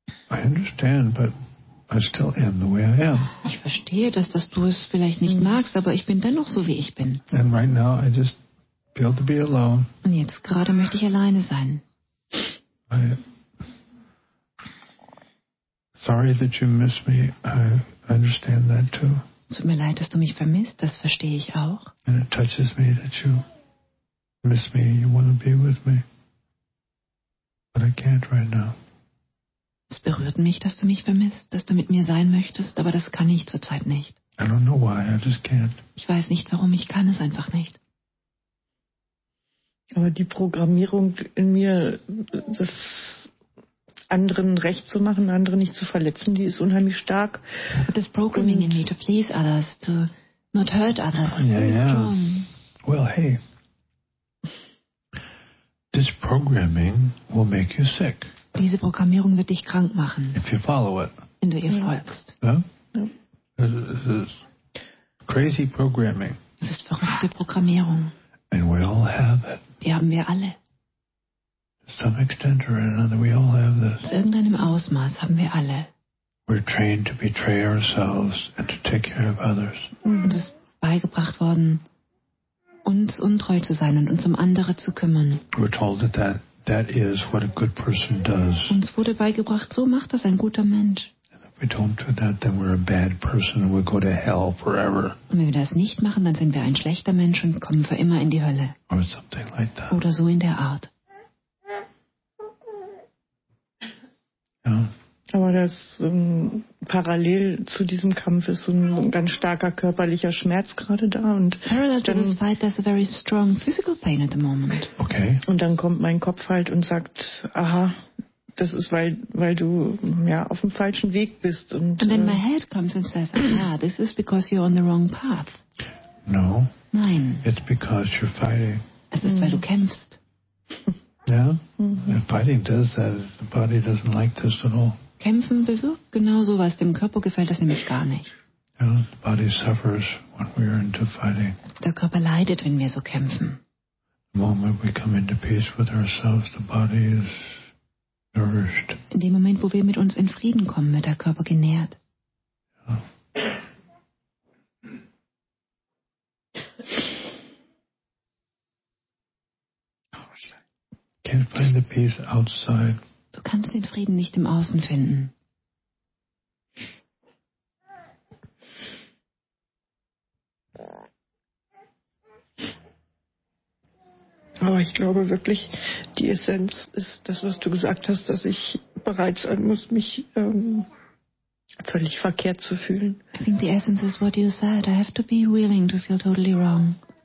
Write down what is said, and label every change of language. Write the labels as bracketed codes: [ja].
[en] I understand, but I still am the way I am. [de] Ich verstehe das, dass du es vielleicht nicht magst, aber ich bin dennoch so, wie ich bin. [en] And right now I just feel to be alone. [de] Und jetzt gerade möchte ich alleine sein. [en] Sorry that you miss me. I understand that too. [de] Es tut mir leid, dass du mich vermisst. Das verstehe ich auch. [en] And it touches me that you miss me. You want to be with me. But I can't right now. [de] Es berührt mich, dass du mich vermisst, dass du mit mir sein möchtest, aber das kann ich zurzeit nicht. [en] I don't know why, I just can't. [de] Ich weiß nicht warum, ich kann es einfach nicht. Aber die Programmierung in mir, das anderen recht zu machen, andere nicht zu verletzen, die ist unheimlich stark. [en] But this programming in me to please others, to not hurt others, oh, yeah, yeah. Strong. Well, hey, this programming will make you sick. [de] Diese Programmierung wird dich krank machen. [en] If you follow it. [de] Wenn du ihr folgst. [en] Yeah? Yeah. Crazy programming. [de] Das ist verrückte Programmierung. [en] And we all have it. [de] Die haben wir alle. [en] To some extent or another, we all have this. [de] Zu irgendeinem Ausmaß haben wir alle. [en] We're trained to betray ourselves and to take care of others. [de] Uns ist beigebracht worden, uns untreu zu sein und uns um andere zu kümmern. [en] We're told that. That is what a good person does. [de] Uns wurde beigebracht, so macht das ein guter Mensch. [en] If we don't do that, then we're a bad person and we'll go to hell forever. [de] Und wenn wir das nicht machen, dann sind wir ein schlechter Mensch und kommen für immer in die Hölle. [en] Or something like that. [de] Oder so in der Art. Ja. Aber das parallel zu diesem Kampf ist so ein ganz starker körperlicher Schmerz gerade da. Und [en] parallel to this fight, there's a very strong physical pain at the moment. Okay. [de] Und dann kommt mein Kopf halt und sagt, aha, das ist, weil du ja auf dem falschen Weg bist. Und [en] then my head comes and says, aha, this is because you're on the wrong path. No. [de] Nein. [en] It's because you're fighting. [de] Es ist, weil du kämpfst. [en] Yeah? Mm-hmm. And fighting does that. The body doesn't like this at all. [de] Kämpfen bewirkt genau so was. Dem Körper gefällt das nämlich gar nicht. [en] Yeah, the body suffers when we are into fighting. [de] Der Körper leidet, wenn wir so kämpfen. [en] The moment we come into peace with ourselves, the body is nourished. [de] In dem Moment, wo wir mit uns in Frieden kommen, wird der Körper genährt. [en] Yeah. Can't find the peace outside. [de] Du kannst den Frieden nicht im Außen finden. Aber ich glaube wirklich, die Essenz ist das, was du gesagt hast, dass ich bereit sein muss, mich völlig verkehrt zu fühlen. [en] I think the essence is what you said. I have to be willing to feel totally wrong.